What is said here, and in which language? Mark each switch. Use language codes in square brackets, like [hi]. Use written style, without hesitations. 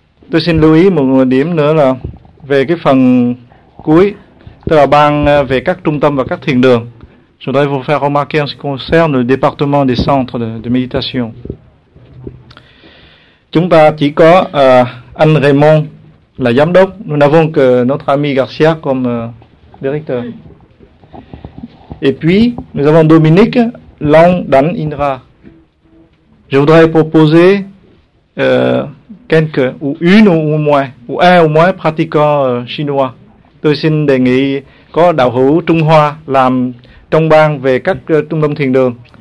[vi] Tôi xin lưu ý một điểm nữa là về cái phần cuối, tức là bang về các trung tâm và các thiền đường. [fr] Je voudrais vous faire remarquer en ce qui concerne le département des centres de méditation. [vi] Chúng ta chỉ có anh Raymond là giám đốc. [fr] Nous n'avons que notre ami Garcia comme directeur. Et puis, nous avons Dominique Long Dan Indra. Je voudrais proposer quelques, ou une ou moins, ou un ou moins pratiquant chinois. Tôi xin đề nghị có đạo hữu Trung Hoa làm trong ban về các trung tâm thiền đường.